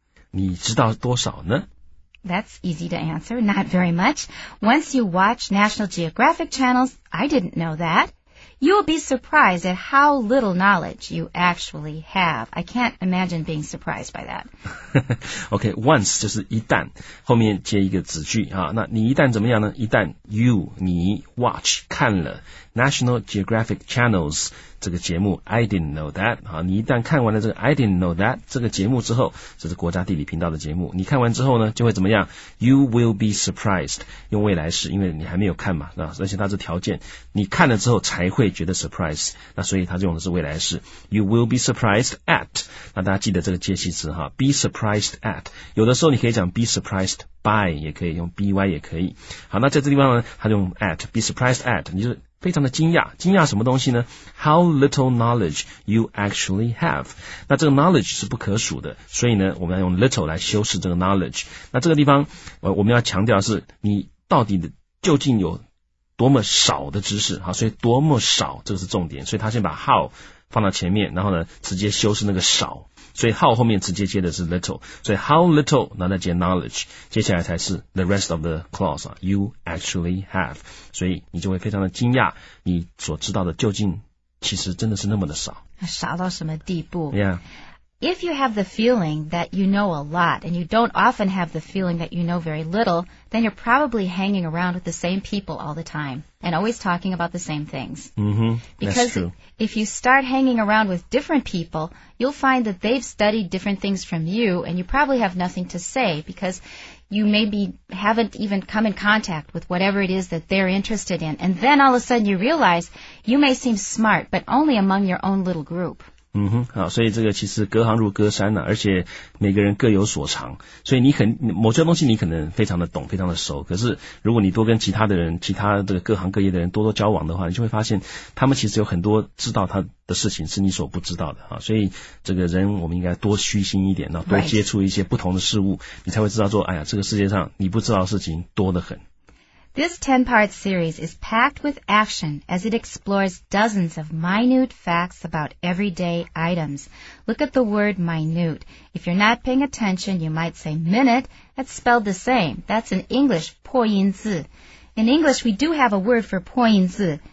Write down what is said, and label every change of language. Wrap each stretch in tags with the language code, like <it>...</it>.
<zh>你知道多少呢?</zh> <en>That's easy to answer, not very much. Once you watch National Geographic channels, I didn't know that. You will be surprised at how little knowledge you actually have. I can't imagine being surprised by that.</en> <zh>Okay, once 就是一旦,后面接一个子句啊。那你一旦怎么样呢? 一旦 you, 你 watch, 看了 National Geographic channels,这个节目 I didn't know that 啊，你一旦看完了这个 I didn't know that 这个节目之后，这是国家地理频道的节目，你看完之后呢，就会怎么样？</zh> <en>You will be surprised，</en> <zh>用未来式，因为你还没有看嘛，啊，而且它是条件，你看了之后才会觉得 surprise， 那所以它用的是未来式，</zh> <en>You will be surprised at，</en> <zh>那大家记得这个介系词哈，</zh> <en>be surprised at，</en> <zh>有的时候你可以讲</zh> <en>be surprised by</en> <zh>也可以，用 by 也可以。好，那在这地方呢，它用 at，</zh> <en>be surprised at，</en> <zh>你就是。非常的惊讶，惊讶什么东西呢 ？</zh> <en>How little knowledge you actually have？</en> <zh>那这个 knowledge 是不可数的，所以呢，我们要用 little 来修饰这个 knowledge。那这个地方，我们要强调的是你到底的究竟有多么少的知识，好，所以多么少这个是重点，所以他先把 how 放到前面，然后呢，直接修饰那个少，所以 how 后面直接接的是 little， 所以 how little， 那再接 knowledge， 接下来才是</zh> <en>the rest of the clause</en> <zh>啊 ，</zh> <en>you actually have，</en> <zh>所以你就会非常的惊讶，你所知道的究竟其实真的是那么的少。少到什么地步</zh> <en>？Yeah. If you have the feeling that you know a lot, and you don't often have the feeling that you know very little, then you're probably hanging around with the same people all the time, and always talking about the same things. Because if you start hanging around with different people, you'll find that they've studied different things from you, and you probably have nothing to say, because you maybe haven't even come in contact with whatever it is that they're interested in. And then all of a sudden you realize you may seem smart, but only among your own little group.</en> <zh>嗯哼，好，所以这个其实隔行如隔山了、啊，而且每个人各有所长，所以你很某些东西你可能非常的懂，非常的熟，可是如果你多跟其他的人，其他这个各行各业的人多多交往的话，你就会发现他们其实有很多知道他的事情是你所不知道的啊，所以这个人我们应该多虚心一点，然后多接触一些不同的事物，</zh> <en>right.</en> <zh>你才会知道说，哎呀，这个世界上你不知道的事情多得很。</zh> <en>This 10-part series is packed with action as it explores dozens of minute facts about everyday items. Look at the word minute. If you're not paying attention, you might say minute. That's spelled the same. That's in English, 破音字. In English, we do have a word for 破音字.</en>